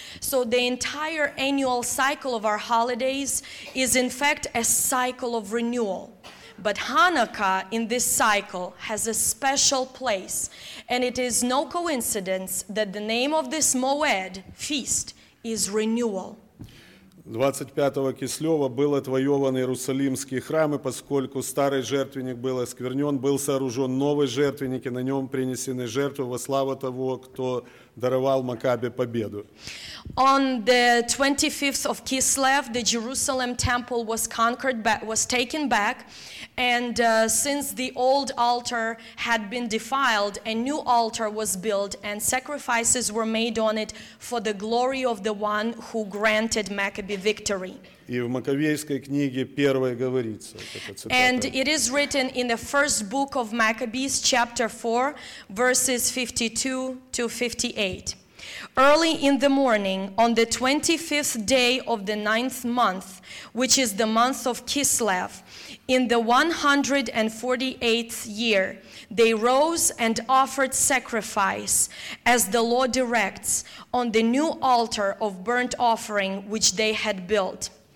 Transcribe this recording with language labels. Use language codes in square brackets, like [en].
[en] So the entire annual cycle of our holidays is in fact a cycle of renewal. But Hanukkah in this cycle has a special place, and it is no coincidence that the name of this Moed, feast, is renewal. [ru] 25-го Кислева был отвоеван Иерусалимский храм, и поскольку старый жертвенник был осквернен, был сооружен новый жертвенник, и на нем принесены жертвы во славу того, кто даровал Макабе победу. [en] On the 25th of Kislev, the Jerusalem temple was conquered, was taken back, and since the old altar had been defiled, a new altar was built, and sacrifices were made on it for the glory of the one who granted Maccabee victory. [ru] И в Маковейской книге первое говорится. [en] And it is written in the first book of Maccabees, chapter 4, verses 52 to 58. Early in the morning, on the 25th day of the ninth month, which is the month of Kislev, in the 148th year, they rose and offered sacrifice, as the Lord directs, on the new altar of burnt offering which they had built.